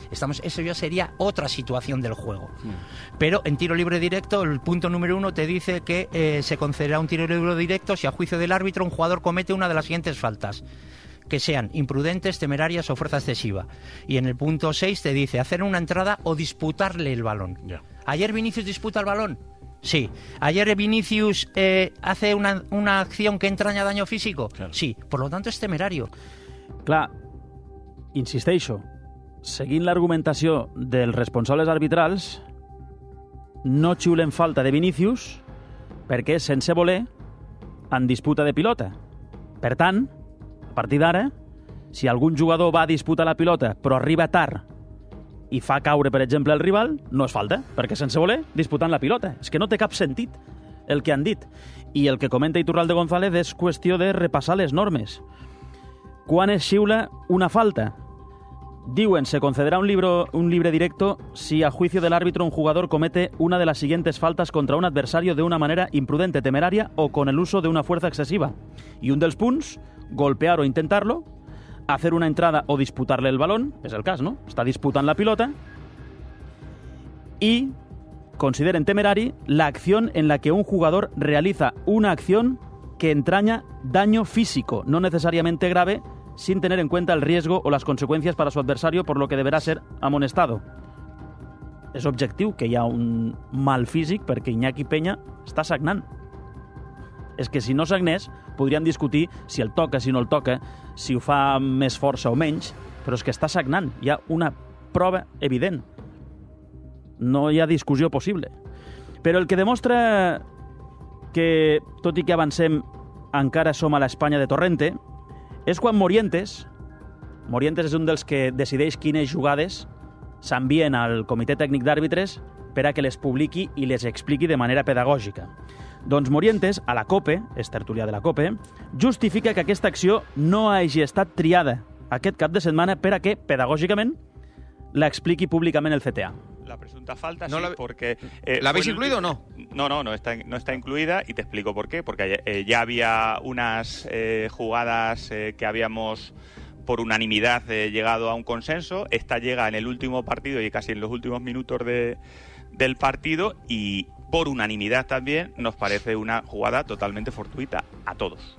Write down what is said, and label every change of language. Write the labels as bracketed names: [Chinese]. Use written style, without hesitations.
[Spanish] Eso ya sería otra situación del juego. Pero en tiro libre directo, el punto número uno te dice que se concederá un tiro libre directo si a juicio del árbitro un jugador comete una de las siguientes faltas, que sean imprudentes, temerarias o fuerza excesiva. Y en el punto 6 te dice hacer una entrada o disputarle el balón. Yeah. ¿Ayer Vinicius disputa el balón? Sí. ¿Ayer Vinicius hace una acción que entraña daño físico? Claro. Sí. Por lo tanto, es temerario. [Catalan] Clar, insisteixo, seguint l'argumentació dels responsables arbitrals, no xiulen falta de Vinicius perquè, sense voler, en disputa de pilota. Per tant, a partir d'ara, si algun jugador va a disputar la pilota però arriba tard i fa caure, per exemple, el rival, no és falta, perquè sense voler, disputant la pilota. És que no té cap sentit el que han dit. I el que comenta Iturralde González és qüestió de repassar les normes. Quan es xiula una falta? Diuen, se concederà [Spanish] un libre directo si a juicio del árbitro un jugador comete una de las siguientes faltas contra un adversario de una manera imprudente, temeraria o con el uso de una fuerza excesiva. [Catalan] I un dels punts, [Spanish] golpear o intentarlo, hacer una entrada o disputarle el balón, [Catalan] és el cas, no? Està disputant la pilota. I consideren temerari [Spanish] la acción en la que un jugador realiza una acción que entraña daño físico, no necesariamente grave, sin tener en cuenta el riesgo o las consecuencias para su adversario, por lo que deberá ser amonestado. [Catalan] És objectiu que hi ha un mal físic perquè Iñaki Peña està sagnant. És que si no sagnés, podríem discutir si el toca, si no el toca, si ho fa amb més força o menys, però és que està sagnant. Hi ha una prova evident. No hi ha discussió possible. Però el que demostra que, tot i que avancem, encara som a l'Espanya de Torrente, és quan Morientes és un dels que decideix quines jugades s'envien al comitè tècnic d'àrbitres per a que les publiqui i les expliqui de manera pedagògica. Doncs Morientes, a la COPE, és tertulià de la COPE, justifica que aquesta acció no hagi estat triada aquest cap de setmana per a que, pedagògicament, l'expliqui públicament el CTA. [Spanish] La presunta falta, no, sí, porque... ¿La habéis incluido o no? No está incluida, y te explico por qué. Porque ya había unas jugadas que habíamos, por unanimidad, llegado a un consenso. Esta llega en el último partido y casi en los últimos minutos del partido, y por unanimidad también nos parece una jugada totalmente fortuita a todos.